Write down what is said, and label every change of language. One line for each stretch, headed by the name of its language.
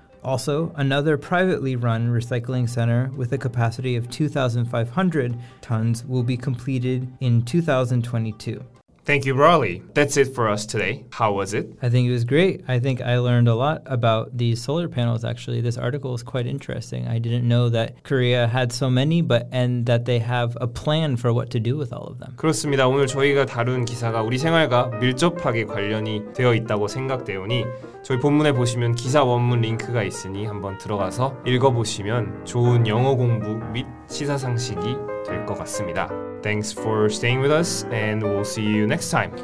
English: Also, another privately run recycling center with a capacity of 2,500 tons will be completed in 2022. Thank you, Raleigh. That's it for us today. How was it? I think it was great. I think I learned a lot about these solar panels, actually. This article is quite interesting. I didn't know that Korea had so many, and that they have a plan for what to do with all of them.
Korean: 그렇습니다. 오늘 저희가 다룬 기사가 우리 생활과 밀접하게 관련이 되어 있다고 생각되오니 저희 본문에 보시면 기사 원문 링크가 있으니 한번 들어가서 읽어보시면 좋은 영어 공부 및 시사 상식이 될 것 같습니다.
English: Thanks for staying with us, and we'll see you next time.